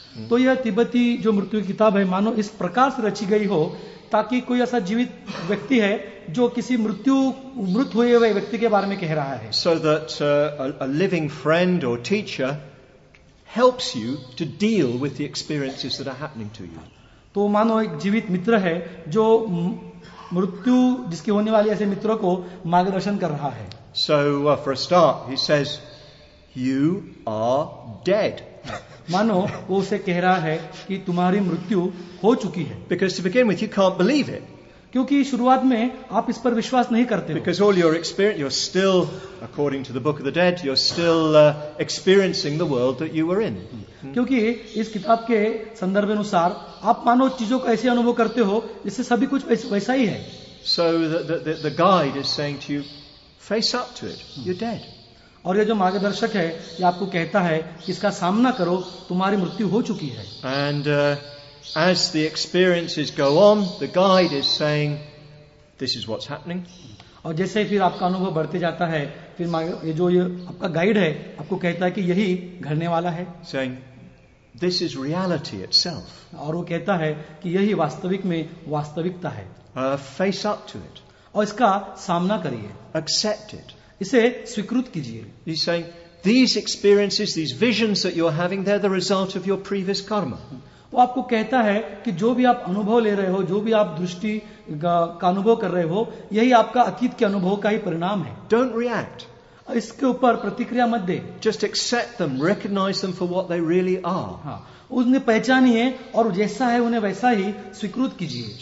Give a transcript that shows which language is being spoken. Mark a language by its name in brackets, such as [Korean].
[Hindi] तो यह तिब्बती जो मृत्यु की किताब है मानो इस प्रकार से रची गई हो ताकि कोई ऐसा जीवित व्यक्ति है जो किसी मृत हुए हुए व्यक्ति के बारे में कह रहा है. [English] So that a living friend or teacher helps you to deal with the experiences that are happening to you. [Hindi] तो मानो एक जीवित मित्र है जो मृत्यु जिसके होने वाली ऐसे मित्रों को मार्गदर्शन कर रहा है. [English] So for a start, he says, "You are dead." [Hindi] मानो वो उसे कह रहा है कि तुम्हारी मृत्यु हो चुकी है. [English] Because to begin with, you can't believe it. [Hindi] क्योंकि शुरुआत में आप इस पर विश्वास नहीं करते. [English] Because all your experience, you're still, according to the Book of the Dead, you're still experiencing the world that you were in. [Hindi] क्योंकि इस किताब के संदर्भ अनुसार आप मानो चीजों का ऐसे अनुभव करते हो जिससे सभी कुछ वैसा ही है. [English] So the guide is saying to you, face up to it. You're dead. [Hindi] और ये जो मार्गदर्शक है ये आपको कहता है कि इसका सामना करो, तुम्हारी मृत्यु हो चुकी है. [English] And as the experiences go on, the guide is saying, this is what's happening. [Hindi] और जैसे फिर आपका अनुभव बढ़ते जाता है फिर ये जो ये आपका गाइड है आपको कहता है कि यही घड़ने वाला है. [English] Saying, this is reality itself. [Hindi] और वो कहता है कि यही वास्तविक में वास्तविकता है. [English] Face up to it. [Hindi] और इसका सामना करिए. [English] Accept it. [Hindi] इसे स्वीकृत कीजिए. [English] He's saying, these experiences, these visions that you're having, they're the result of your previous karma. [Hindi] वो आपको कहता है कि जो भी आप अनुभव ले रहे हो, जो भी आप दृष्टि का अनुभव कर रहे हो, यही आपका अतीत के अनुभव का ही परिणाम है. [English] Don't react. [Hindi] इसके ऊपर प्रतिक्रिया मत दे. [English] Just accept them, recognize them for what they really are. [Hindi] उन्हें पहचानिए और जैसा है उन्हें वैसा ही स्वीकृत कीजिए.